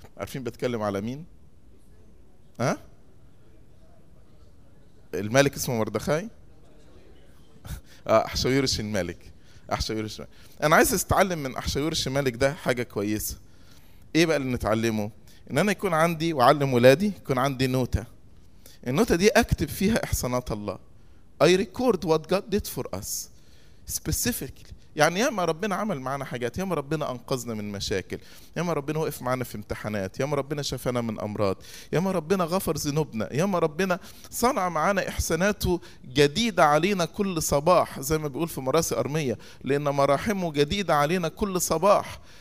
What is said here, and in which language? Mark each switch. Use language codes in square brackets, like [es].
[ar] عارفين بتكلم على مين؟ ها؟ الملك اسمه مردخاي؟ أحشويرش الملك. أحشويرش الملك. أنا عايز أستعلم من أحشويرش الملك ده حاجة كويسة. إيه بقى اللي نتعلمه؟ إن أنا يكون عندي وعلم ولادي يكون عندي نوتة. النوتة دي أكتب فيها إحسانات الله. [en] I record what God did for us specifically. [ar] يعني ياما ربنا عمل معنا حاجات، ياما ربنا أنقذنا من مشاكل، ياما ربنا وقف معنا في امتحانات، ياما ربنا شفانا من أمراض، ياما ربنا غفر ذنوبنا، ياما ربنا صنع معنا إحساناته جديدة علينا كل صباح، زي ما بيقول في مراسي أرمية، لأن مراحمه جديدة علينا كل صباح.